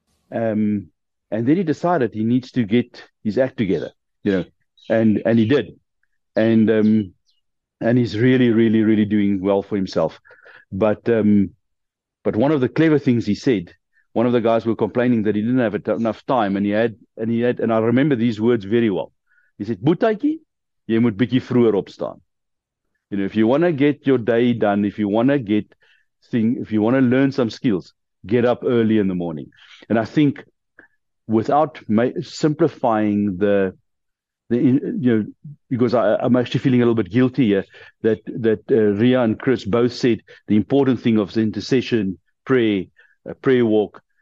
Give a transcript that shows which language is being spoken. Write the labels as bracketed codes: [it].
[en] And then he decided he needs to get his act together, you know, and he did. And he's really, really, really doing well for himself. But one of the clever things he said, one of the guys were complaining that he didn't have enough time, and I remember these words very well. He said, [af] "Butaiki, jy moet bietjie vroeër opstaan." [en] You know, if you want to get your day done, if you want to learn some skills, get up early in the morning. And I think without simplifying because I'm actually feeling a little bit guilty here, that Ria and Chris both said the important thing of the intercession, prayer walk.